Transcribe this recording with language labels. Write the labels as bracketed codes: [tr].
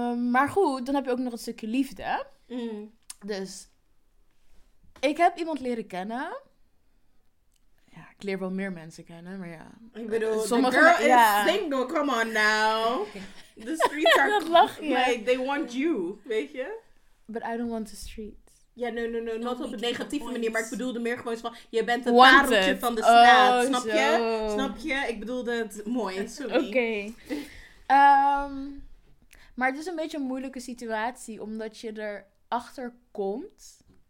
[nl] Maar goed, dan heb je ook nog een stukje liefde. Dus ik heb iemand leren kennen... Ik leer wel meer mensen kennen, maar ja. Ik bedoel, sommige [en] girl is single, come on now. The streets are like, they want you, [nl] weet je? [en] But I don't want the streets. [nl] Ja, [en] yeah, no, not [nl] op een negatieve manier, maar ik bedoelde meer gewoon van, je bent het pareltje van de straat, snap je? Snap je? Ik bedoelde het mooi, sorry. [en] Okay. [nl] Maar het is een beetje een moeilijke situatie, omdat je erachter komt...